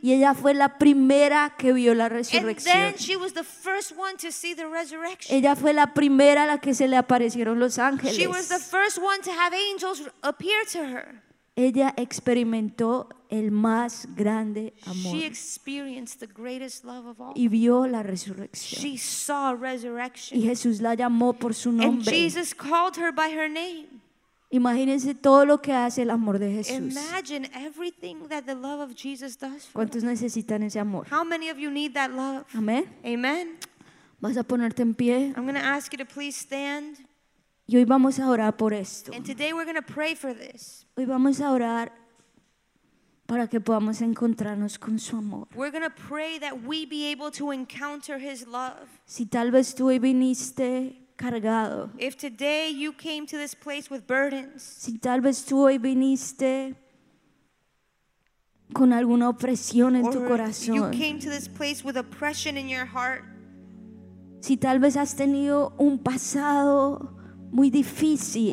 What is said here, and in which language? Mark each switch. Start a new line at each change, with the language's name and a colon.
Spanish: Y ella fue la primera que vio la resurrección.
English: And then she was the first one to see the resurrection.
Spanish: Ella fue la primera a la que se le aparecieron los ángeles.
English: She was the first one to have angels appear to her.
Spanish: Ella experimentó el más grande amor.
English: She experienced the greatest love of all.
Spanish: Y vio la resurrección.
English: She saw resurrection.
Spanish: Y Jesús la llamó por su nombre.
English: And Jesus called her by her name.
Spanish: Imagínense todo lo que hace el amor de Jesús.
English: Imagine everything that the love of Jesus does.
Spanish: ¿Cuántos necesitan ese amor?
English: How many of you need that love?
Spanish: Amén.
English: Amen.
Spanish: ¿Vas a ponerte en pie?
English: I'm going to ask you to please stand.
Spanish: Y hoy vamos a orar por esto.
English: And today we're going to pray for this.
Spanish: Hoy vamos a orar para que podamos encontrarnos con su amor.
English: We're going to pray that we be able to encounter his love.
Spanish: Si tal vez tú hoy viniste cargado.
English: If today you came to this place with burdens,
Spanish: si tal vez tú hoy viniste con alguna opresión en tu corazón,
English: you came to this place with oppression in your heart,
Spanish: si tal vez has tenido un pasado muy difícil,